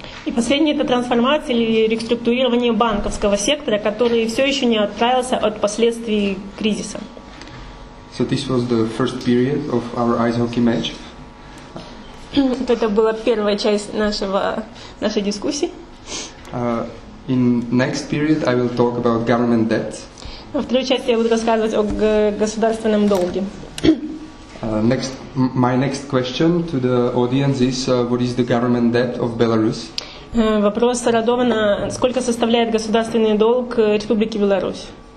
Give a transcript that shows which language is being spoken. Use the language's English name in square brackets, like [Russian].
[Russian] И последнее это трансформация или реструктурирование банковского сектора, который все еще не оправился от последствий кризиса. [English] So this was the first period of our ice hockey match. [Russian] Это была первая часть нашей дискуссии. [English] In next period, I will talk about government debt. [Russian] Во второй части я буду рассказывать о государственном долге. [English] My next question to the audience is, what is the government debt of Belarus? [Russian] Вопрос Радована, сколько составляет государственный долг Республики Беларусь?